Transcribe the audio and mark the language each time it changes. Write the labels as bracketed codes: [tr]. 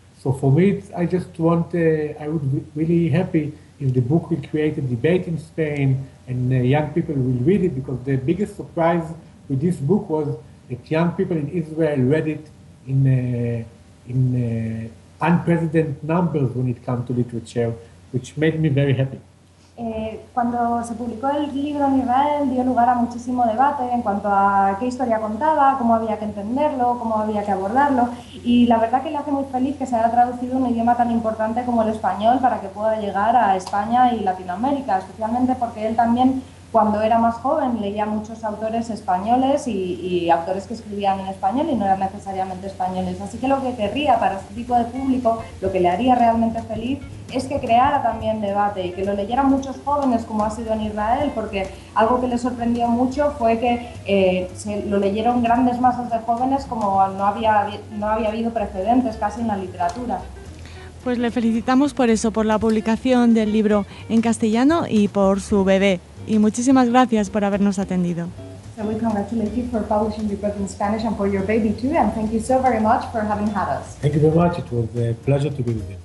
[en] So for me, I would be really happy if the book will create a debate in Spain and young people will read it, because the biggest surprise with this book was that young people in Israel read it in unprecedented numbers when it comes to literature, which made me very happy. [es] Cuando se publicó el libro en Israel, dio lugar a muchísimo debate en cuanto a qué historia contaba, cómo había que entenderlo, cómo había que abordarlo, y la verdad que le hace muy feliz que se haya traducido un idioma tan importante como el español para que pueda llegar a España y Latinoamérica, especialmente porque él también, cuando era más joven, leía muchos autores españoles y autores que escribían en español y no eran necesariamente españoles. Así que lo que querría para este tipo de público, lo que le haría realmente feliz, es que creara también debate y que lo leyeran muchos jóvenes, como ha sido en Israel, porque algo que le sorprendió mucho fue que lo leyeron grandes masas de jóvenes como no había habido precedentes casi en la literatura. Pues le felicitamos por eso, por la publicación del libro en castellano y por su bebé. Y muchísimas gracias por habernos atendido. [en] So we congratulate you for publishing your book in Spanish and for your baby too, and thank you so very much for having had us. Thank you very much. It was a pleasure to be with you.